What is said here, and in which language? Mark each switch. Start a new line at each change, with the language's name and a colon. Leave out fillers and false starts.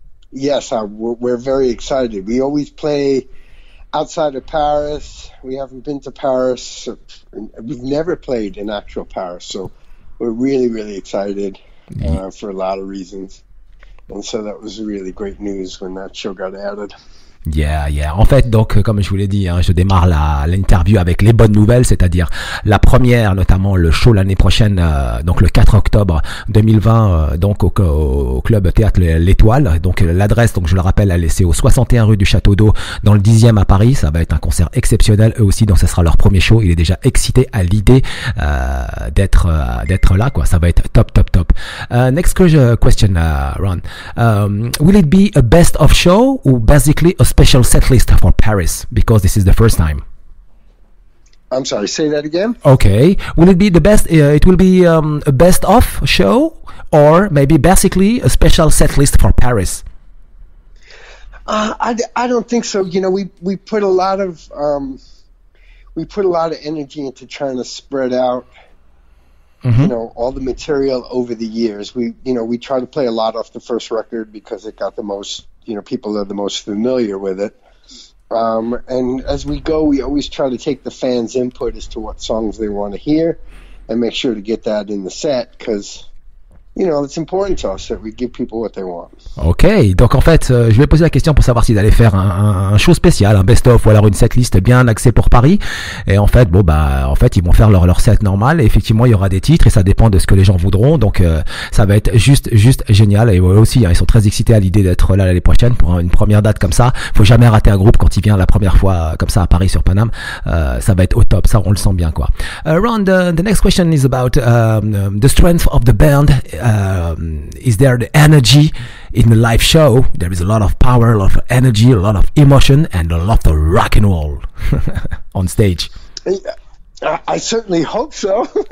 English: Yes, we're very excited. We always play outside of Paris. We haven't been to Paris. We've never played in actual Paris, so we're really, really excited for a lot of reasons. And so that was really great news when that show got added. Yeah.
French: En fait, donc, comme je vous l'ai dit, hein, je démarre l'interview avec les bonnes nouvelles, c'est-à-dire la première, notamment le show l'année prochaine, donc le 4 octobre 2020, donc au club Théâtre L'Étoile. Donc l'adresse, donc je le rappelle, elle est au 61 rue du Château d'Eau, dans le 10e à Paris. Ça va être un concert exceptionnel, eux aussi. Donc ça sera leur premier show. Il est déjà excité à l'idée d'être là, quoi. Ça va être top.
English: Next question, Ron. Will it be a best of show or basically a special set list for Paris, because this is the first time? I'm sorry, say that again. Okay, will it be the best? It will be a best of show, or maybe basically a special set list for Paris? I don't think so. You know, we put a lot of energy into trying to spread out, mm-hmm. you know, all the material over the years. We try to play a lot off the first record because it got the most. You know, people are the most familiar with it. And as we go, we always try to take the fans' input as to what songs they want to hear and make sure to get that in the set because, you know, it's important to us that we give people what they want.
French: Ok, donc en fait, je vais poser la question pour savoir s'ils allaient faire un show spécial, un best-of ou alors une setlist bien axée pour Paris. Et en fait, bon, bah, en fait, ils vont faire leur set normal. Et effectivement, il y aura des titres et ça dépend de ce que les gens voudront. Donc, ça va être juste génial. Et eux aussi, hein, ils sont très excités à l'idée d'être là l'année prochaine pour une première date comme ça. Faut jamais rater un groupe quand il vient la première fois comme ça à Paris sur Paname. Ça va être au top. Ça, on le sent bien, quoi.
English: Ron, the next question is about the strength of the band. Is there the energy in the live show? There is a lot of power, a lot of energy, a lot of emotion, and a lot of rock and roll on stage. I certainly hope so.